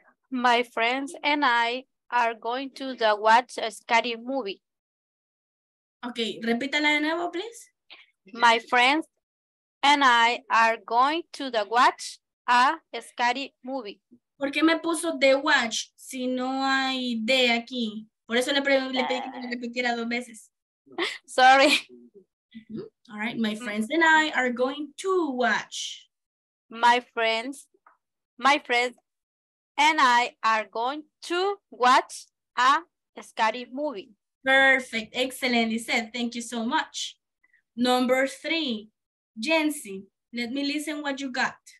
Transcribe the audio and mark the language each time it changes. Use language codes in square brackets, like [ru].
[en] My friends and I are going to the watch a scary movie. [es] Okay, repítala de nuevo, please. [en] My friends and I are going to the watch a scary movie. [es] ¿Por qué me puso the watch si no hay de aquí? Por eso le pedí que me repitiera dos veces. [en] Sorry. All right, my friends and I are going to watch. My friends and I are going to watch a scary movie. Perfect, excellently said. Thank you so much. Number three, Jensi, let me listen what you got.